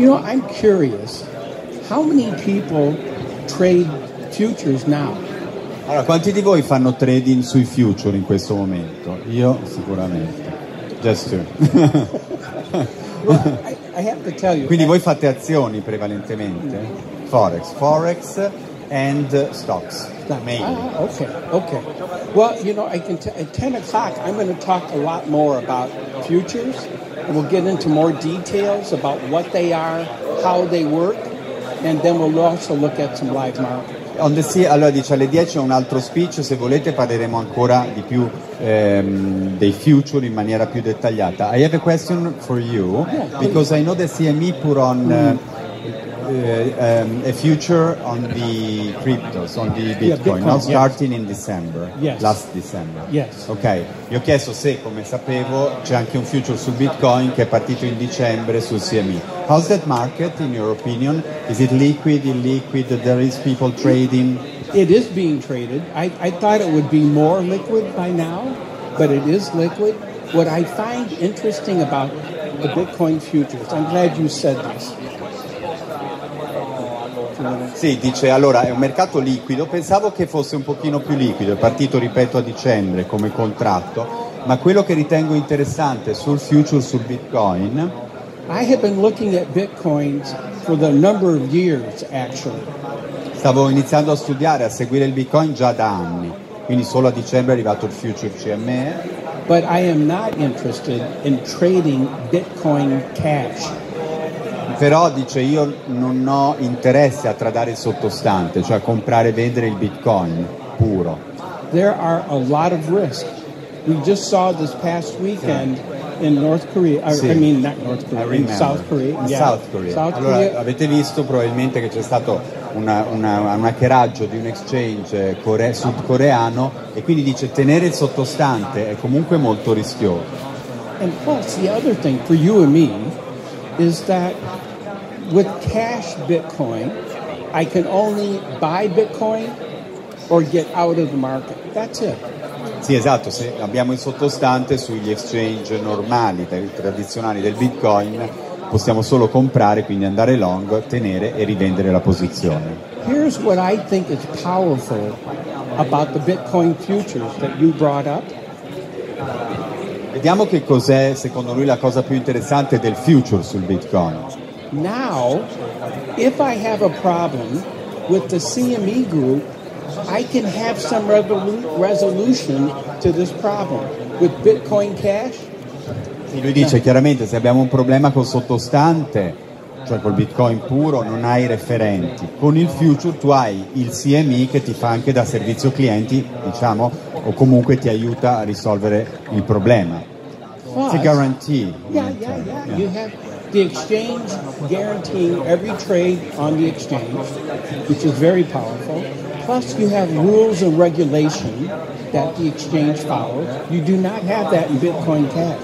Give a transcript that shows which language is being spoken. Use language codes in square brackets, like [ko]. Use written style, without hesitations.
[en] You know, I'm curious, how many people trade futures now? [it] Allora, quanti di voi fanno trading sui future in questo momento? Io sicuramente. [en] Just two. I have to tell you. [it] Quindi voi fate azioni prevalentemente? Forex. [en] Forex and stocks. Mainly. Okay. Well, you know, I can at 10 o'clock I'm going to talk a lot more about futures. We'll get into more details about what they are, how they work, and then we'll also look at some live markets. [it] Allora dice alle 10 un altro speech, se volete parleremo ancora di più dei future in maniera più dettagliata. [en] I have a question for you, because I know the CME put on a future on the cryptos, on the Bitcoin, not starting in December, last December. Yes. [it] Ok, gli ho chiesto se, come sapevo, c'è anche un future su Bitcoin che è partito in dicembre su CME. [en] How's that market, in your opinion? Is it liquid, illiquid? There is people trading? It is being traded. I thought it would be more liquid by now, but it is liquid. What I find interesting about the Bitcoin futures, I'm glad you said this. [it] Sì, dice, allora, è un mercato liquido. Pensavo che fosse un pochino più liquido. È partito, ripeto, a dicembre come contratto. Ma quello che ritengo interessante sul future sul Bitcoin... [en] I have been looking at Bitcoins for the number of years, actually. [it] Stavo iniziando a studiare, a seguire il Bitcoin già da anni. Quindi solo a dicembre è arrivato il future CME. [en] But I am not interested in trading Bitcoin cash. [it] Però dice io non ho interesse a tradare il sottostante, cioè a comprare e vendere il Bitcoin puro. [en] There are a lot of risk. We just saw this past weekend in North Korea. I mean not North Korea, in South Korea. South Korea. [it] Allora avete visto probabilmente che c'è stato un hackeraggio di un exchange sudcoreano e quindi dice tenere il sottostante è comunque molto rischioso. [en] And plus the other thing for you and me is that with cash Bitcoin I can only buy Bitcoin or get out of the market. That's it. [it] Sì, esatto, se abbiamo il sottostante sugli exchange normali, tradizionali del Bitcoin, possiamo solo comprare, quindi andare long, tenere e rivendere la posizione. [en] Here's what I think is powerful about the Bitcoin futures that you brought up. [it] Vediamo che cos'è secondo lui la cosa più interessante del future sul Bitcoin. [en] Now, if I have a problem with the CME group, I can have some resolution to this problem with Bitcoin cash. [it] Lui dice chiaramente se abbiamo un problema col sottostante, cioè col Bitcoin puro, non hai referenti. Con il future tu hai il CME che ti fa anche da servizio clienti, diciamo, o comunque ti aiuta a risolvere il problema. [en] It's a guarantee. Yeah. You have the exchange guaranteeing every trade on the exchange, which is very powerful. Plus you have rules and regulation that the exchange follows. You do not have that in Bitcoin Cash.